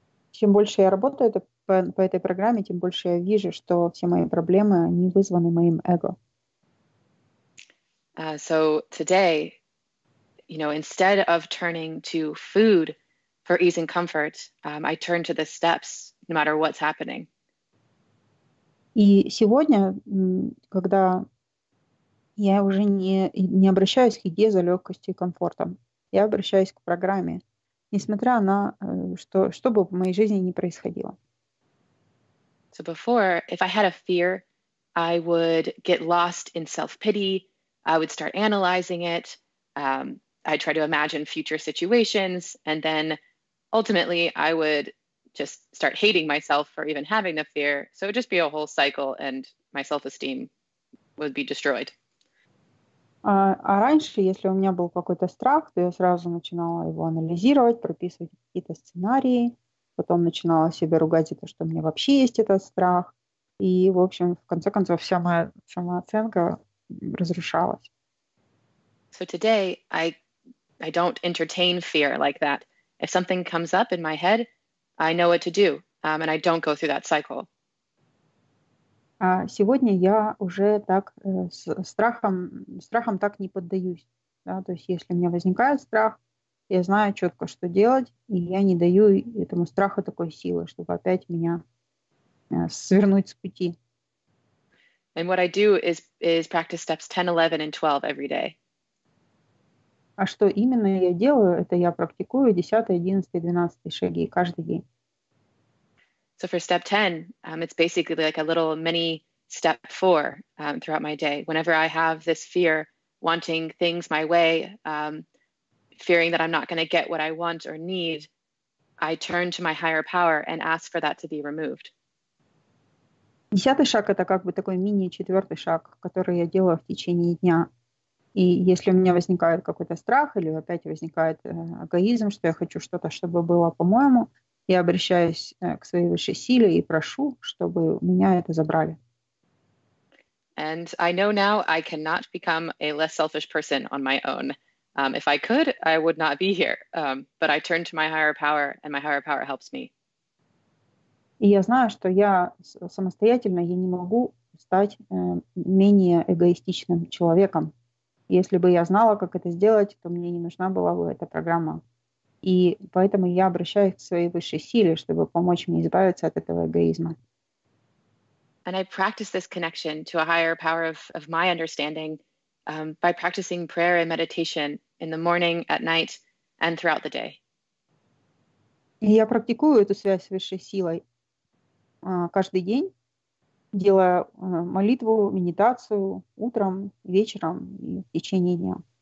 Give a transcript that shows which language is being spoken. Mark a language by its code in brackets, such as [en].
[ru] Чем больше я работаю по этой программе, тем больше я вижу, что все мои проблемы, они вызваны моим эго. [en] So today, you know, instead of turning to food for ease and comfort, I turn to the steps, no matter what's happening. [ru] И сегодня, когда я уже не обращаюсь к еде за легкостью и комфортом, я обращаюсь к программе, несмотря на что бы в моей жизни ни происходило. [en] So before, if I had a fear, I would get lost in self-pity, I would start analyzing it, I'd try to imagine future situations, and then ultimately I would just start hating myself for even having the fear, so it would just be a whole cycle, and my self-esteem would be destroyed. [ru] А раньше, если у меня был какой-то страх, то я сразу начинала его анализировать, прописывать какие-то сценарии, потом начинала себя ругать за то, что у меня вообще есть этот страх, и, в общем, в конце концов, вся моя самооценка разрушалась. [en] So today I don't entertain fear like that. If something comes up in my head, I know what to do, and I don't go through that cycle. [ru] Сегодня я уже так с страхом так не поддаюсь. Да? То есть если у меня возникает страх, я знаю четко, что делать, и я не даю этому страху такой силы, чтобы опять меня свернуть с пути. [en] And what I do is practice steps 10, 11, and 12 every day. [ru] А что именно я делаю, это я практикую 10, 11, 12 шаги каждый день. [en] So for step 10, it's basically like a little mini step 4 throughout my day. Whenever I have this fear, wanting things my way, fearing that I'm not going to get what I want or need, I turn to my higher power and ask for that to be removed. [ru] Десятый шаг — это как бы такой мини-четвертый шаг, который я делаю в течение дня. И если у меня возникает какой-то страх или опять возникает эгоизм, что я хочу что-то, чтобы было по-моему, я обращаюсь к своей высшей силе и прошу, чтобы меня это забрали. [en] And I know now I cannot become a less selfish person on my own. If I could, I would not be here. But I turn to my higher power, and my higher power helps me. [ru] И я знаю, что я самостоятельно я не могу стать менее эгоистичным человеком. Если бы я знала, как это сделать, то мне не нужна была бы эта программа. И поэтому я обращаюсь к своей высшей силе, чтобы помочь мне избавиться от этого эгоизма. [en] And I practice this connection to a higher power of my understanding by practicing prayer and meditation in the morning, at night, and throughout the day. [ru] И я практикую эту связь с высшей силой каждый день, делая молитву, медитацию утром, вечером и в течение дня.